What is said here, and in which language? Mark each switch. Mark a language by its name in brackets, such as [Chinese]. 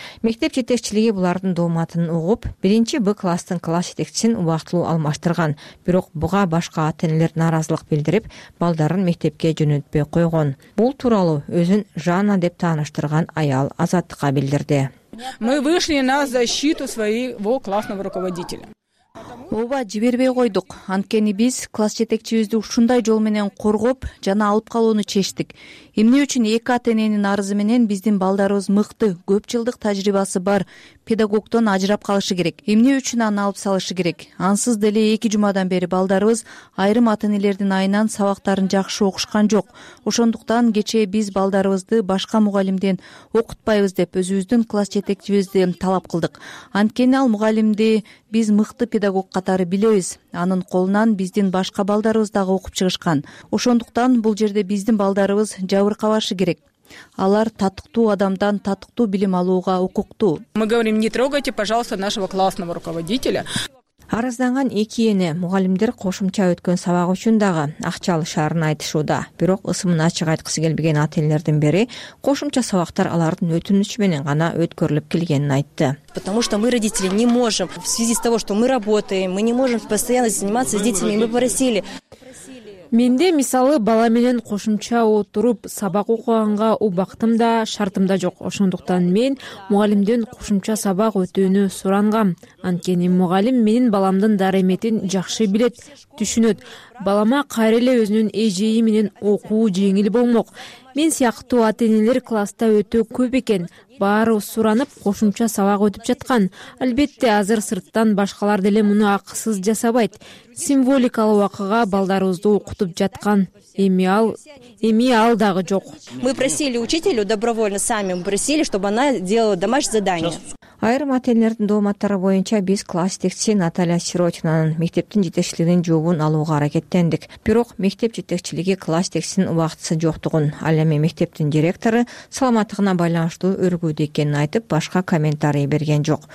[Kyrgyz] Мектеп жетекчилиги булардын дооматын угуп, биринчи Б класстын класс жетекчисин убактылуу алмаштырган, бирок буга башка ата-энелер нааразылык билдирип, балдарын мектепке жөнөтпөй койгон. Бул тууралуу өзүн Жанна деп тааныштырган аял Азаттыкка билдирди. [Russian] Мы вышли на защиту своего классного руководителя. [Kyrgyz] Ооба, жибербей койдук. Анткени биз класс жетекчибизди ушундай жол менен коргоп жана алып калууну чечтик. Эмне үчүн эки ата-эненин арызы менен биздин балдарыбыз мыкты, көп жылдык тажрыйбасы бар педагогтон ажырап калышы керек? Эмне үчүн аны алып салышы керек? Ансыз деле эки жумадан бери балдарыбыз айрым ата-энелердин айынан сабактарын жакшы окушкан жок. Ошондуктан кечээ биз балдарыбызды башка мугалимден окутпайбыз деп өзүбүздүн класс жетекчибизди талап кылдык. Анткени ал мугалимди биз мыкты педагог катары билебиз. Анын колунан биздин башка балдарыбыз дагы окуп чыгышкан. Ошондуктан бул жерде биздин балдарыбыз жабыркабашы керек. Алар татыктуу адамдан татыктуу билим алууга укуктуу. [Russian] Мы говорим, не трогайте, пожалуйста, нашего классного руководителя. [Kyrgyz] Арызданган эки эне мугалимдер кошумча өткөн сабак үчүн дагы акча алышаарын айтышууда. Бирок ысымын ачык айткысы келбеген ата-энелердин бири кошумча сабактар алардын өтүнүчү менен гана өткөрүлүп келгенин айтты. [Russian] Потому что мы, родители, не можем, в связи с того, что мы работаем, мы не можем постоянно заниматься с детьми, мы попросили. [Kyrgyz] Менде мисалы бала менен кошумча отуруп сабак окуганга убактым да шартым да жок. Ошондуктан мен мугалимден кошумча сабак өтүүнү сурангам. Анткени мугалим менин баламдын дареметин жакшы билет, түшүнөт. Балама кайра эле өзүнүн эжеи менен окуу жеңил болмок. Мен сыяктуу ата-энелер класста өтө көп экен. Баары суранып кошумча сабак өтүп жаткан. Албетте, азыр сырттан башкалар деле муну акысыз жасабайт. Символикалык окууга балдарыбызды окутуп жаткан эми ал дагы жок. [Russian] Мы просили учителю добровольно сами, мы просили, чтобы она делала домашнее задание. [Kyrgyz] Айрым ата-энелердин дооматтары боюнча биз класс жетекчиси Наталья Сирочинанын мектептин жетекчилигинин жообун алууга аракеттендик. Бирок мектеп жетекчилиги класс жетекчисинин убактысы жоктугун, ал эми мектептин директору саламаттыгына байланыштуу өргүүдө экенин айтып, башка комментарий берген жок.